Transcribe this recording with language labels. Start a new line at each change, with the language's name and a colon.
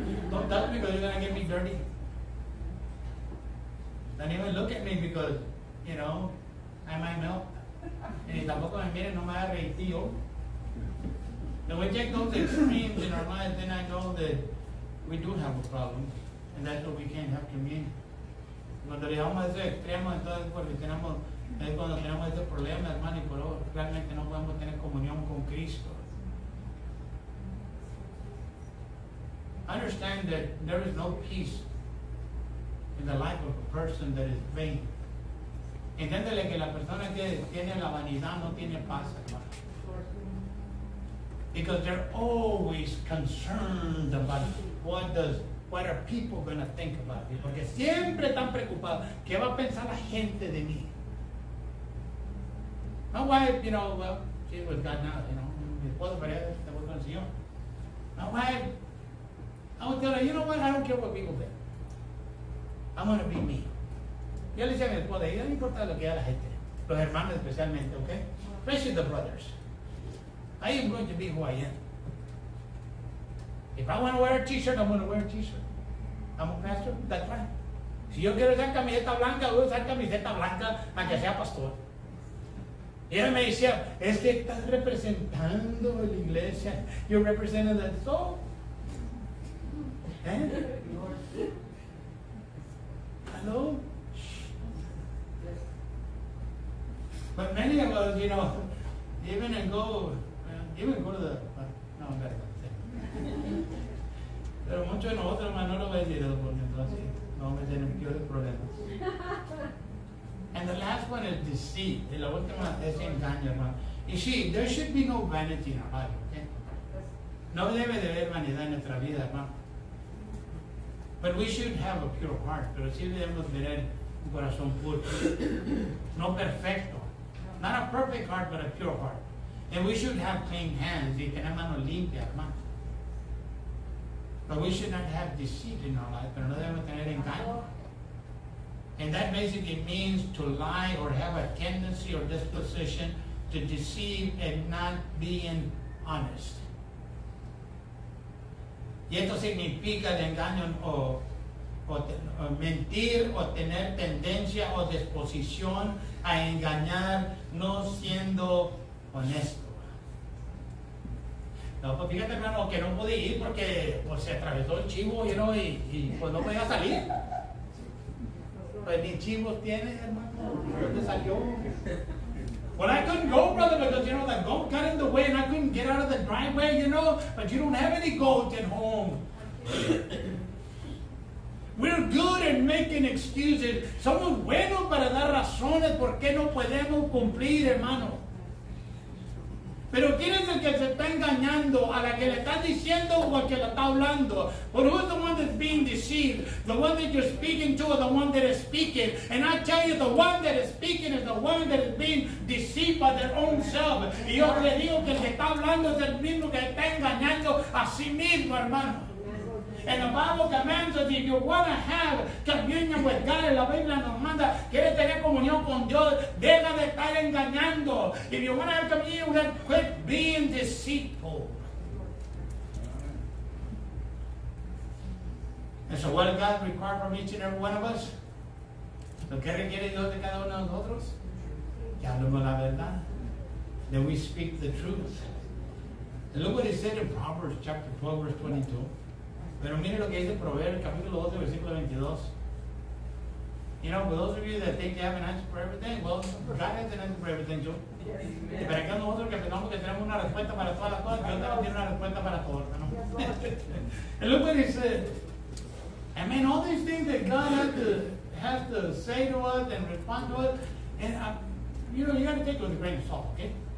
English: Don't touch me because you're going to get me dirty. Don't even look at me because, you know, I might melt.
Spanish: Y tampoco me miren, no me haga reír, tío.
English: Now we take those extremes in our lives, then I know that we do have a problem. And that's what we can't have communion.
Spanish: Cuando llegamos a ese extremo, entonces porque tenemos, es cuando tenemos ese problema, hermano, y por eso realmente no podemos tener comunión con Cristo.
English: Understand that there is no peace in the life of a person that is vain.
Spanish: Entiéndele que la persona que tiene la vanidad no tiene paz, hermano.
English: Because they're always concerned about what are people going to think about me.
Spanish: Porque siempre están preocupados. ¿Qué va a pensar la gente de mí?
English: My wife, you know, well, she's with God now, you know.
Spanish: Mi esposa, María, está con el Señor.
English: My wife, I would tell her, you know what, I don't care what people think. I'm going to be me.
Spanish: Yo le decía a mi esposa, y no importa lo que haga la gente, los hermanos especialmente, ¿ok?
English: Especially the brothers. I am going to be who I am. If I want to wear a t-shirt, I'm going to wear a t-shirt. I'm a pastor, that's right.
Spanish: Si yo quiero usar camiseta blanca, voy a usar camiseta blanca para que sea pastor. Y él me decía, es que estás representando a la iglesia.
English: You're representing the soul. ¿Eh? Hello? But many of us, you know, even and go, even go to the, no, I'm better not saying.
Spanish: Pero muchos de nosotros, hermano, no lo voy a decir, por ejemplo, así, no me tienen peores problemas.
English: And the last one is deceit,
Spanish: y la última es engaño, hermano.
English: You see, there should be no vanity in our life, okay?
Spanish: No debe de haber vanidad en nuestra vida, hermano.
English: But we should have a pure heart,
Spanish: pero sí debemos tener un corazón puro, no perfecto.
English: Not a perfect heart, but a pure heart. And we should have clean hands.
Spanish: Y tener manos limpias, hermano.
English: But we should not have deceit in our life.
Spanish: Pero no debemos tener engaño.
English: And that basically means to lie or have a tendency or disposition to deceive and not being honest.
Spanish: Y esto significa de engaño o mentir o tener tendencia o disposición a engañar no siendo honesto. No, pues fíjate, hermano, que no pude ir porque pues, se atravesó el chivo, you know, y pues no podía salir. Pues ni chivo tiene, hermano. ¿Dónde salió?
English: Well, I couldn't go, brother, because, you know, the goat got in the way and I couldn't get out of the driveway, you know, but you don't have any goat at home. We're good at making excuses.
Spanish: Somos buenos para dar razones por qué no podemos cumplir, hermano. Pero ¿quién es el que se está engañando? A la que le está diciendo o a que le está hablando.
English: But who's the one that's being deceived? The one that you're speaking to or the one that is speaking? And I tell you, the one that is speaking is the one that is being deceived by their own self.
Spanish: Y yo le digo que el que está hablando es el mismo que está engañando a sí mismo, hermano.
English: And the Bible commands us, if you want to have communion with God,
Spanish: la Biblia nos manda, quieres tener comunión con Dios, deja de estar engañando.
English: If you want to have communion with God, quit being deceitful. And so what does God require from each and every one of us?
Spanish: ¿Lo que requiere Dios de cada uno de nosotros? que hablamos la verdad.
English: That we speak the truth. And look what it said in Proverbs chapter 12, verse 22.
Spanish: Pero mire lo que dice Proverbs, capítulo 12, versículo 22.
English: You know, for those of you that think you have an answer for everything, well, God has an answer for everything, too. Yes,
Spanish: y para que nosotros que pensamos que tenemos una respuesta para todas las cosas, Dios también tiene una respuesta para todas, ¿no?
English: Yes, and look what he said. I mean, all these things that God has to say to us and respond to us, and you know, you got to take it with a grain of salt, okay?